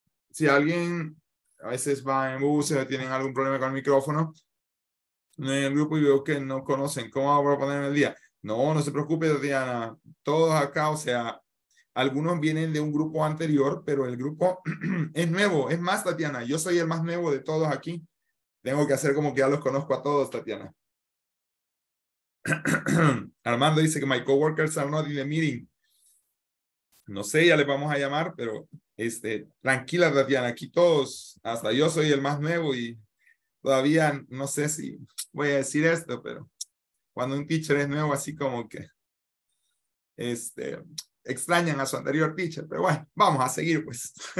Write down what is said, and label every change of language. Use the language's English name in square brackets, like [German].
[Spanish] Si alguien a veces va en bus o tienen algún problema con el micrófono en el grupo y veo que no conocen, ¿cómo vamos a poner en el día? No se preocupe, Tatiana. Todos acá, o sea, algunos vienen de un grupo anterior, pero el grupo es nuevo. Es más, Tatiana, yo soy el más nuevo de todos aquí. Tengo que hacer como que ya los conozco a todos, Tatiana. Armando dice que [English] my coworkers are not in the meeting. [Spanish] No sé, ya le vamos a llamar, pero tranquila, Tatiana, aquí todos, hasta yo soy el más nuevo y todavía no sé si voy a decir esto, pero cuando un teacher es nuevo, así como que extrañan a su anterior teacher, pero bueno, vamos a seguir, pues.